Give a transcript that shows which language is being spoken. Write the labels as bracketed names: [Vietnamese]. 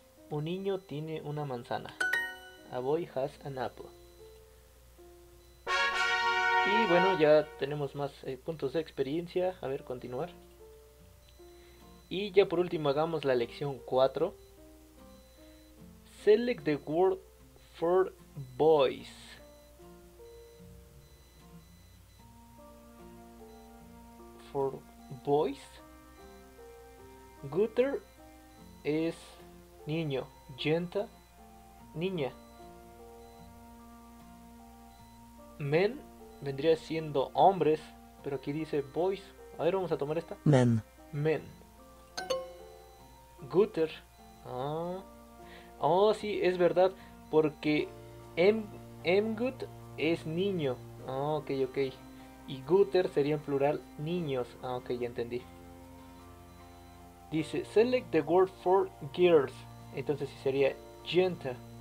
[Spanish] Un niño tiene una manzana. [English] A boy has an apple. [Spanish] Y bueno, ya tenemos más puntos de experiencia. A ver, continuar. Y ya por último hagamos la lección 4. [English] Select the word for boys. For boys. [Spanish] Gutter es niño. Genta, niña. Men vendría siendo hombres, pero aquí dice boys. A ver, vamos a tomar esta. [Norwegian] Men. Men. Gutter. Ah. [Spanish] Oh, sí, es verdad, porque Emgut es niño. Ah, ok, ok. Y Gutter sería en plural niños. Ah, ok, ya entendí. Dice, [English] select the word for girls. [Spanish] Entonces sí sería gente.